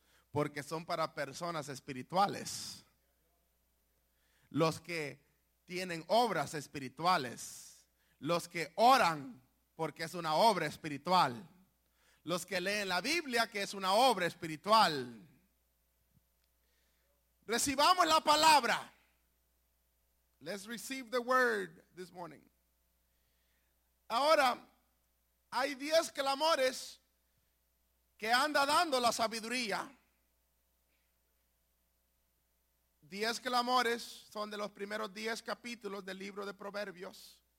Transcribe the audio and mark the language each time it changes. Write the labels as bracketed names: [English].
[Spanish] Porque son para personas espirituales. Los que tienen obras espirituales. Los que oran porque es una obra espiritual. Los que leen la Biblia que es una obra espiritual. Recibamos la palabra. [English] Let's receive the word this morning. [Spanish] Ahora, hay 10 clamores que anda dando la sabiduría. 10 clamores son de los primeros 10 capítulos del libro de Proverbios.